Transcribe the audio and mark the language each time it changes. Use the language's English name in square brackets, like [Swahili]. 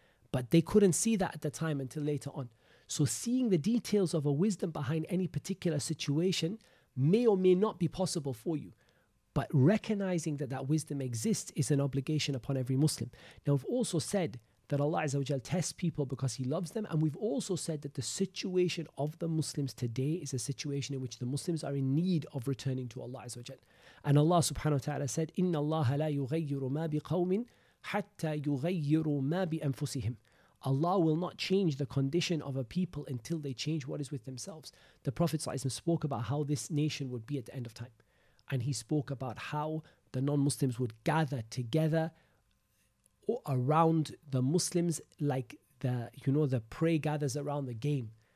[English] But they couldn't see that at the time until later on. So seeing the details of a wisdom behind any particular situation may or may not be possible for you. But recognizing that wisdom exists is an obligation upon every Muslim. Now we've also said that Allah Azza wa Jalla tests people because He loves them. And we've also said that the situation of the Muslims today is a situation in which the Muslims are in need of returning to Allah Azza wa Jalla. [Arabic] And Allah subhanahu wa ta'ala [English] said, [Arabic] إِنَّ اللَّهَ لَا يُغَيِّرُ مَا بِقَوْمٍ حَتَّى يُغَيِّرُ مَا بِأَنفُسِهِمْ. [English] Allah will not change the condition of a people until they change what is with themselves. The Prophet spoke about how this nation would be at the end of time. And he spoke about how the non-Muslims would gather together around the Muslims like the prey gathers around the game.